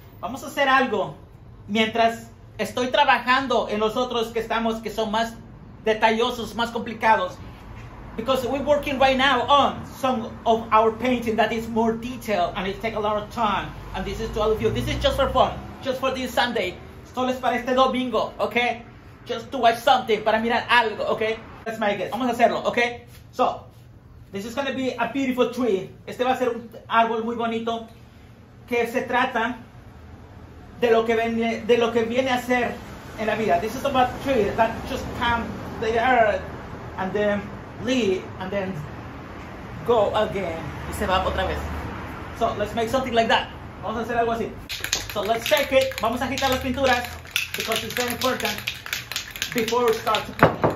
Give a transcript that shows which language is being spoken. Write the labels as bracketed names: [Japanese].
[Spanish] Vamos a hacer algo mientras estoy trabajando en los otros que estamos, que son más detallosos, más complicados. [English] Because we're working right now on some of our painting that is more detailed and it takes a lot of time. And this is to all of you. This is just for fun. Just for this Sunday. [Spanish] Solo es para este domingo, okay? [English] Just to watch something, [Spanish] para mirar algo, [English] okay? That's my guess. [Spanish] Vamos a hacerlo, [English] okay? So, this is going to be a beautiful tree. [Spanish] Este va a ser un árbol muy bonito que se trata de lo que viene a ser en la vida. [English] This is about a tree that just come to the earth and then leave and then go again. [Spanish] Y se va otra vez. [English] So, let's make something like that. [Spanish] Vamos a hacer algo así. [English] So let's shake it. [Spanish] Vamos a agitar las pinturas [English] because it's very important before we start to paint.